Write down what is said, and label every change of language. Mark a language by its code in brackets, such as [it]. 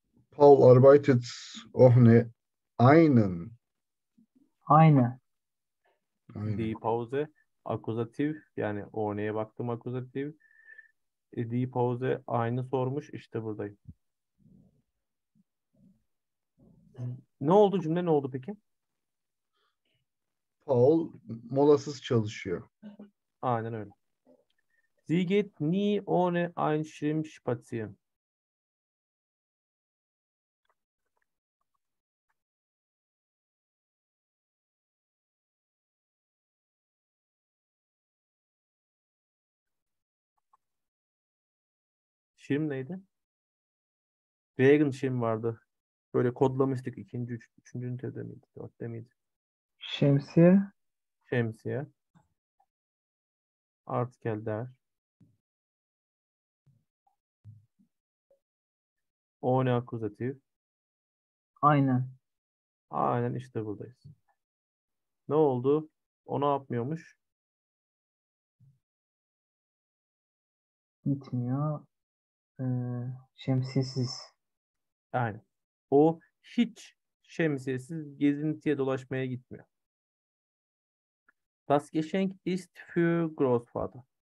[de] Paul arbeitet ohne einen. [tr] Aynen. [de] Di pause. [tr] Akuzatif yani örneğe baktım akuzatif. Die Pause aynı sormuş işte buradayım. Ne oldu cümle ne oldu peki? Paul molasız çalışıyor. Aynen öyle. [de] Sie geht nie ohne ein Schirm spazieren. [tr] Şirm neydi? Dragon Şirm vardı. Böyle kodlamıştık. İkinci, üçüncü ünitede miydi? Dörtte miydi? Şemsiye. Şemsiye. Artık gel der. O ne akuzatif? Aynen. Aynen işte buradayız. Ne oldu? O ne yapmıyormuş? Bitmiyor. Şemsiyesiz. Aynen. O hiç şemsiyesiz gezintiye dolaşmaya gitmiyor. [de] Das Geschenk ist für Großvater.